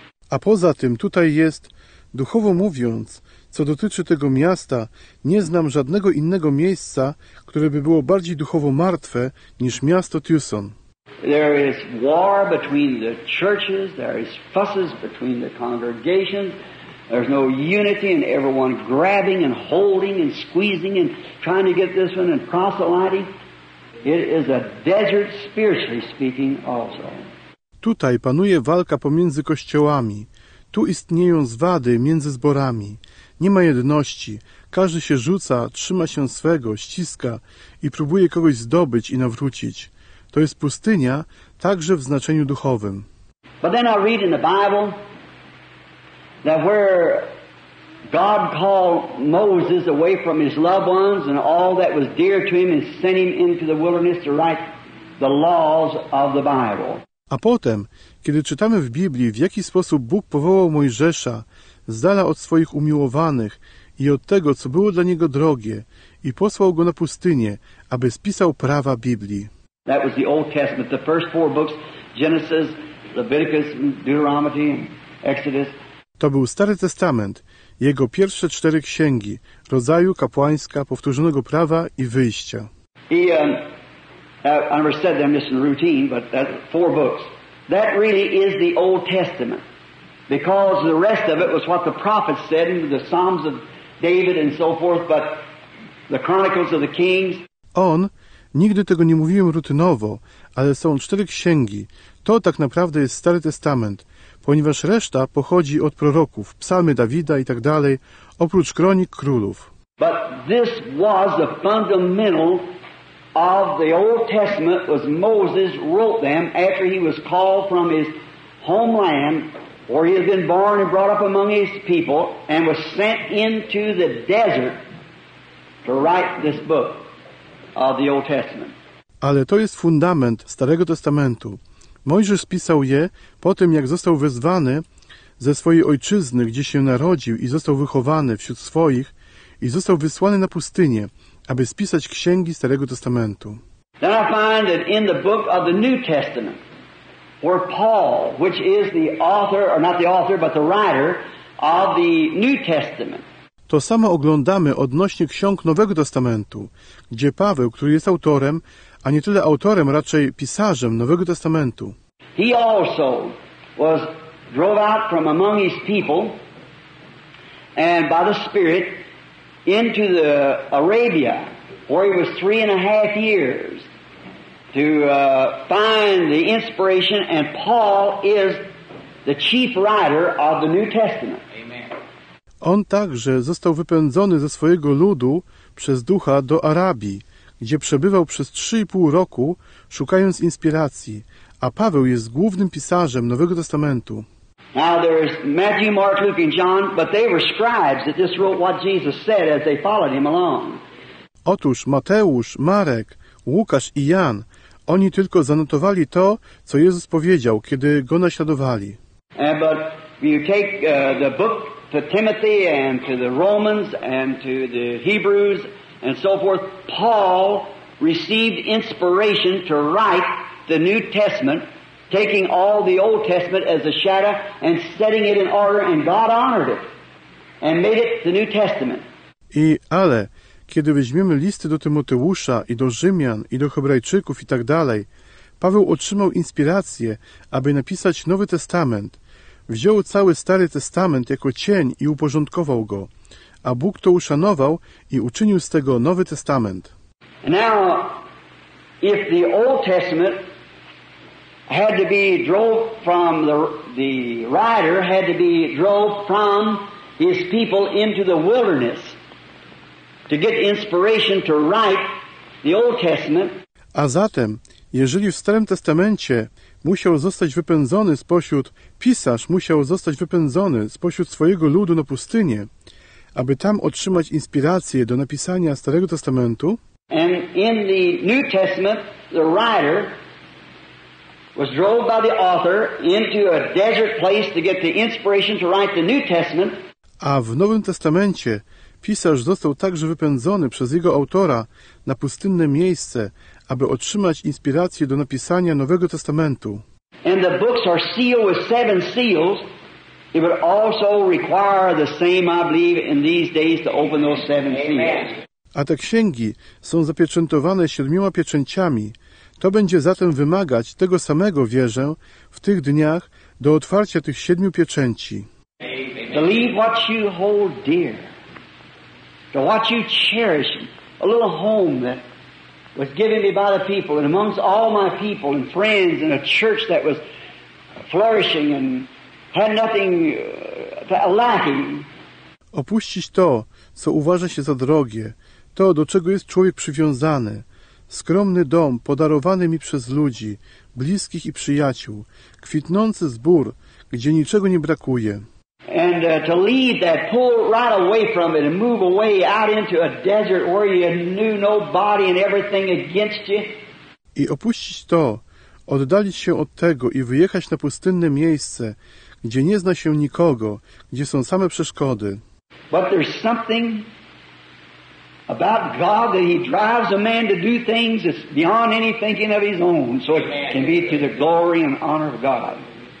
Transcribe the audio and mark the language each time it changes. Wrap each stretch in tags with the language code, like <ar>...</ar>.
<pl>A poza tym, tutaj jest, duchowo mówiąc, co dotyczy tego miasta, nie znam żadnego innego miejsca, które by było bardziej duchowo martwe niż miasto Tucson.</pl> <en>There is war between the churches, there is fusses between the congregations, there's no unity and everyone grabbing and holding and squeezing and trying to get this one and proselyting. It is a desert, spiritually speaking, also.</en> <pl>Tutaj panuje walka pomiędzy kościołami. Tu istnieją zwady między zborami. Nie ma jedności. Każdy się rzuca, trzyma się swego, ściska i próbuje kogoś zdobyć i nawrócić. To jest pustynia także w znaczeniu duchowym.</pl> <en>But then I read in the Bible that where God called Moses away from his loved ones and all that was dear to him and sent him into the wilderness to write the laws of the Bible.</en> <pl>A potem, kiedy czytamy w Biblii, w jaki sposób Bóg powołał Mojżesza z dala od swoich umiłowanych i od tego, co było dla niego drogie, i posłał go na pustynię, aby spisał prawa Biblii.</pl> <en>That was the Old Testament, the first four books, Genesis, Leviticus, Deuteronomy, Exodus.</en> <pl>To był Stary Testament, jego pierwsze cztery księgi, rodzaju, kapłańska, powtórzonego prawa i wyjścia.</pl> <en>I never said them just in routine, but that four books. That really is the Old Testament, because the rest of it was what the prophets said in the Psalms of David and so forth, but the Chronicles of the Kings.</en> <pl>On, nigdy tego nie mówiłem rutynowo, ale są cztery księgi. To tak naprawdę jest Stary Testament, ponieważ reszta pochodzi od proroków, Psalmy Dawida i tak dalej, oprócz Kronik Królów.</pl> <en>But this was a fundamental of the Old Testament was Moses wrote them after he was called from his homeland where he had been born and brought up among his people and was sent into the desert to write this book of the Old Testament.</en> <pl>Ale to jest fundament Starego Testamentu. Mojżesz pisał je po tym, jak został wezwany ze swojej ojczyzny, gdzie się narodził i został wychowany wśród swoich i został wysłany na pustynię, aby spisać księgi Starego Testamentu.</pl> <en>Then I find that in the book of the New Testament, where Paul, which is the author, or not the author, but the writer of the New Testament.</en> <pl>To samo oglądamy odnośnie ksiąg Nowego Testamentu, gdzie Paweł, który jest autorem, a nie tyle autorem, raczej pisarzem Nowego Testamentu.</pl> <en>He also was drove out from among his people and by the Spirit into the Arabia, where he was 3.5 years to find the inspiration, and Paul is the chief writer of the New Testament. Amen.</en> <pl>On także został wypędzony ze swojego ludu przez ducha do Arabii, gdzie przebywał przez 3.5 roku, szukając inspiracji, a Paweł jest głównym pisarzem Nowego Testamentu.</pl> <en>Now there's Matthew, Mark, Luke and John, but they were scribes that just wrote what Jesus said as they followed him along.</en> <pl>Otóż Mateusz, Marek, Łukasz i Jan, oni tylko zanotowali to, co Jezus powiedział, kiedy go naśladowali.</pl> <en>But you take the book to Timothy and to the Romans and to the Hebrews and so forth, Paul received inspiration to write the New Testament, taking all the Old Testament as a shadow and setting it in order, and God honored it and made it the New Testament.</en> <pl>I ale kiedy weźmiemy listy do Tymoteusza i do Rzymian i do Hebrajczyków i tak dalej, Paweł otrzymał inspirację, aby napisać Nowy Testament. Wziął cały Stary Testament jako cień i uporządkował go, a Bóg to uszanował i uczynił z tego Nowy Testament.</pl> <en>Now, if the Old Testament had to be drove from the writer had to be drove from his people into the wilderness to get inspiration to write the Old Testament.</en> <pl>A zatem, jeżeli w Starym Testamencie musiał zostać wypędzony spośród, pisarz musiał zostać wypędzony spośród swojego ludu na pustynię, aby tam otrzymać inspirację do napisania Starego Testamentu.</pl> <en>And in the New Testament, the writer was drove by the author into a desert place to get the inspiration to write the New Testament.</en> <pl>A w Nowym Testamencie pisarz został także wypędzony przez jego autora na pustynne miejsce, aby otrzymać inspirację do napisania Nowego Testamentu.</pl> <en>And the books are sealed with seven seals. It would also require the same, I believe, in these days to open those seven seals.</en> <pl>A te księgi są zapieczętowane 7 pieczęciami. To będzie zatem wymagać tego samego, wierzę, w tych dniach do otwarcia tych 7 pieczęci.</pl> <en>Believe what you hold dear. To what you cherish, a little home that was given me by the people, and amongst all my people and friends, and a church that was flourishing and had nothing lacking.</en> <pl>Opuścić to, co uważa się za drogie, to, do czego jest człowiek przywiązany, skromny dom podarowany mi przez ludzi, bliskich i przyjaciół, kwitnący zbór, gdzie niczego nie brakuje.</pl> <en>And to leave that, pull right away from it and move away out into a desert where you knew nobody and everything against you.</en> <pl>I opuścić to, oddalić się od tego i wyjechać na pustynne miejsce, gdzie nie zna się nikogo, gdzie są same przeszkody.</pl> <en>But there's something about God that he drives a man to do things that's beyond any thinking of his own, so it can be to the glory and honor of God.</en>